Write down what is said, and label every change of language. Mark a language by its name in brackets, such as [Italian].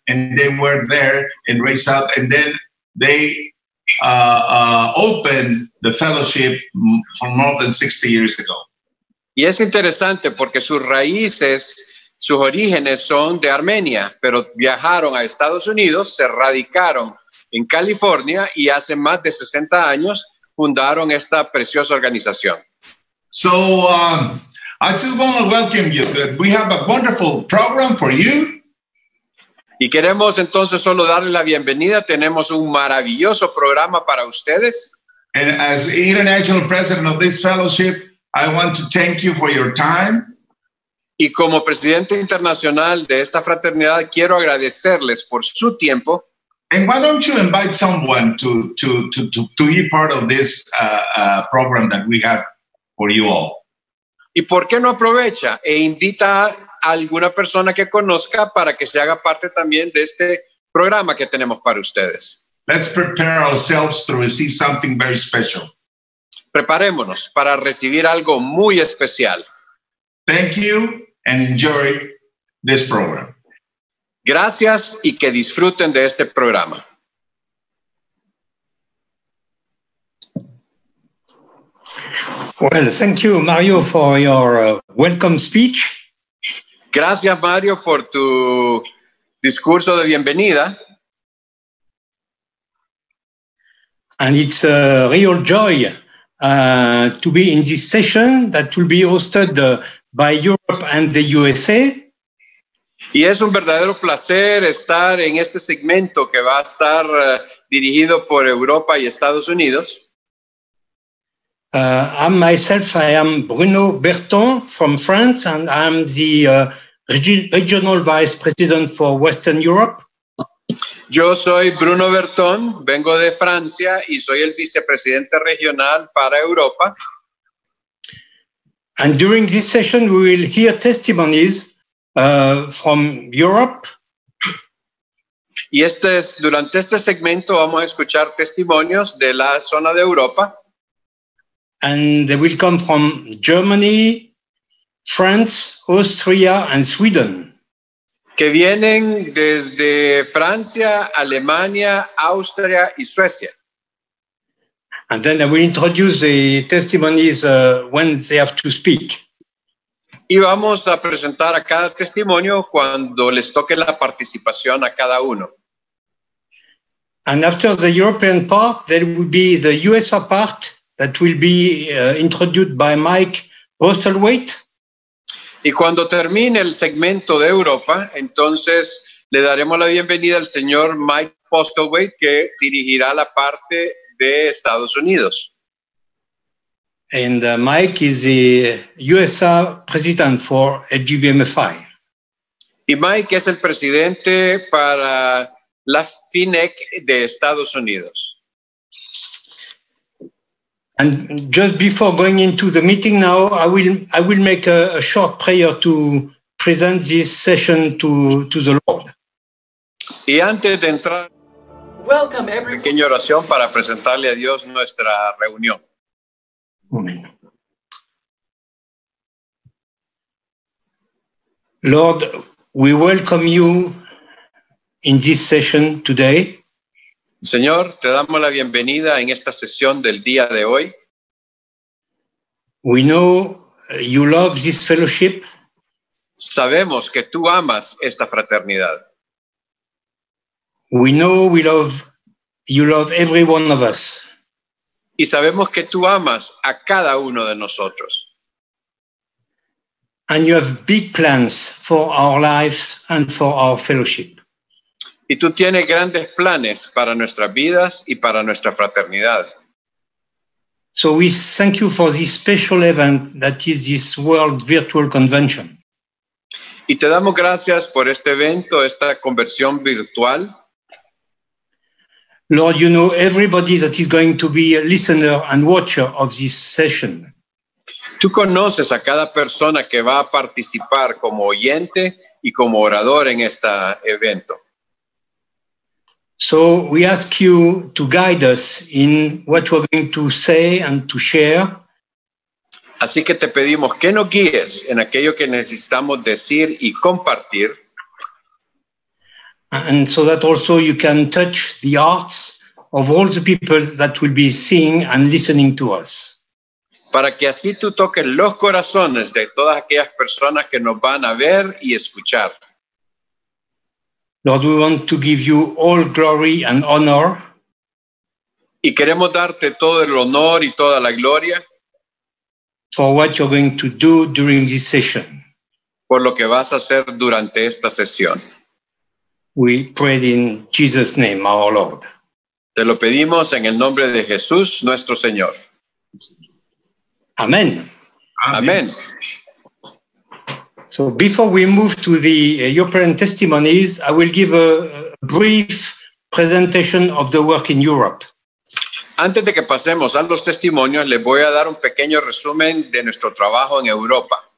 [English] and they were there and raised up, and then they opened the fellowship for more than 60 years ago. [Spanish] Y es interesante porque sus raíces, sus orígenes son de Armenia, pero viajaron a Estados Unidos, se radicaron en California y hace más de 60 años fundaron esta preciosa organización. [English] So, I just want to welcome you. We have a wonderful program for you. [Spanish] Y queremos entonces solo darle la bienvenida. Tenemos un maravilloso programa para ustedes. [English] And as international president of this fellowship, I want to thank you for your time. [Spanish] Y como presidente internacional de esta fraternidad, quiero agradecerles por su tiempo. [English] And why don't you invite someone to be part of this program that we have for you all? [Spanish] ¿Y por qué no aprovecha e invita a alguna persona que conozca para que se haga parte también de este programa que tenemos para ustedes? [English] Let's prepare ourselves to receive something very special. [Spanish] Preparémonos para recibir algo muy especial. [English] Thank you and enjoy this program. [Spanish] Gracias y que disfruten de este programa. [English] Well, thank you, Mario, for your welcome speech. [Spanish] Gracias, Mario, por tu discurso de bienvenida. [English] And it's a real joy to be in this session that will be hosted by Europe and the USA. [Spanish] Y es un verdadero placer estar en este segmento que va a estar dirigido por Europa y Estados Unidos. [English] I am Bruno Berton from France, and I'm the regional vice president for Western Europe. [Spanish] Yo soy Bruno Berton, vengo de Francia y soy el vicepresidente regional para Europa. [English] And during this session, we will hear testimonies from Europe. [Spanish] Y durante este segmento vamos a escuchar testimonios de la zona de Europa. [English] And they will come from Germany, France, Austria, and Sweden. [Spanish] Que vienen desde Francia, Alemania, Austria, y Suecia. [English] And then I will introduce the testimonies when they have to speak. [Spanish] Y vamos a presentar a cada testimonio cuando les toque la participación a cada uno. [English] And after the European part, there will be the USA part, that will be introduced by Mike Postlewaite. [Spanish] Y cuando termine el segmento de Europa, entonces le daremos la bienvenida al señor Mike Postlewaite, que dirigirá la parte de Estados Unidos. [English] And Mike is the USA president for GBMFI. [Spanish] Y Mike es el presidente para la FINEC de Estados Unidos. [English] And just before going into the meeting now, I will make a short prayer to present this session to the Lord. [Spanish] Y antes de entrar, [English] welcome everyone. [Spanish] Pequeña oración para presentarle a Dios nuestra reunión. [English] Amen. Lord, we welcome you in this session today. [Spanish] Señor, te damos la bienvenida en esta sesión del día de hoy. [English] We know you love this fellowship. [Spanish] Sabemos que tú amas esta fraternidad. [English] We know you love every one of us. [Spanish] Y sabemos que tú amas a cada uno de nosotros. [English] And you have big plans for our lives and for our fellowship. [Spanish] Y tú tienes grandes planes para nuestras vidas y para nuestra fraternidad. [English] So we thank you for this special event that is this World Virtual Convention. [Spanish] Y te damos gracias por este evento, esta conversión virtual. [English] Lord, you know everybody that is going to be a listener and watcher of this session. [Spanish] Tú conoces a cada persona que va a participar como oyente y como orador en este evento. [English] So we ask you to guide us in what we're going to say and to share. [Spanish] Así que te pedimos que nos guíes en aquello que necesitamos decir y compartir. [English] And so that also you can touch the hearts of all the people that will be seeing and listening to us. [Spanish] Para que así tú toques los corazones de todas aquellas personas que nos van a ver y escuchar. [English] Lord, we want to give you all glory and honor. [Spanish] Y queremos darte todo el honor y toda la gloria. [English] For what you're going to do during this session. [Spanish] Por lo que vas a hacer durante esta sesión. [English] We pray in Jesus' name, our Lord. [Spanish] Te lo pedimos en el nombre de Jesús, nuestro Señor. [English] Amen. Amen. Amen. So before we move to the European testimonies, I will give a brief presentation of the work in Europe. [Spanish] Antes de que pasemos a los testimonios, les voy a dar un pequeño resumen de nuestro trabajo en Europa.